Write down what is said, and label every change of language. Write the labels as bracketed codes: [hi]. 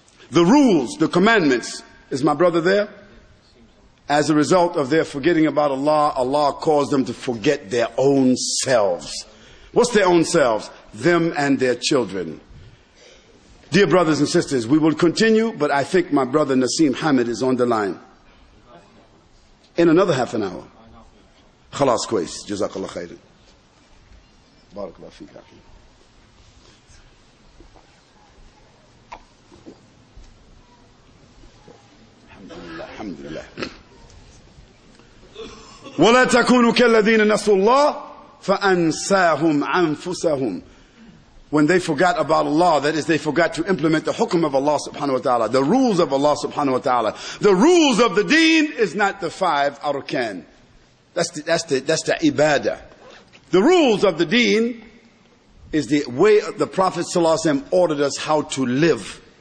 [en] The rules, the commandments. Is my brother there? As a result of their forgetting about Allah, Allah caused them to forget their own selves. What's their own selves? Them and their children. Dear brothers and sisters, we will continue, but I think my brother Naseem Hamid is on the line. In another half an hour. [ar] خلاص كويس جزاك الله خير بارك الله فيك أخي. الحمد لله ولا تكونوا كالذين نسوا الله فأنساهم أنفسهم. [en] When they forgot about Allah, that is, they forgot to implement the hukum of Allah subhanahu wa ta'ala, the rules of Allah subhanahu wa ta'ala. The rules of the deen is not the five arkan. That's the ibadah. The rules of the deen is the way the Prophet sallallahu alaihi wasallam ordered us how to live.